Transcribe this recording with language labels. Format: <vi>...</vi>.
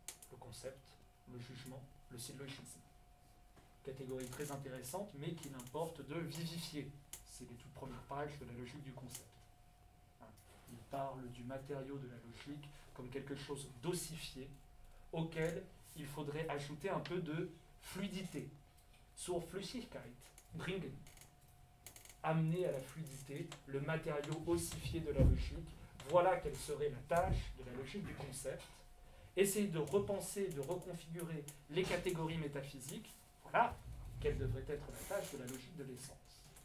<fr>Le concept, le jugement, le syllogisme. Catégorie très intéressante, mais qu'il importe de vivifier. C'est les toutes premières pages de la logique du concept. Il parle du matériau de la logique comme quelque chose d'ossifié auquel il faudrait ajouter un peu de fluidité.</fr> <de>Zur Flüssigkeit bringen.</de> <fr>Amener à la fluidité le matériau ossifié de la logique. Voilà quelle serait la tâche de la logique du concept. Essayer de repenser, de reconfigurer les catégories métaphysiques. Voilà quelle devrait être la tâche de la logique de l'essence.</fr>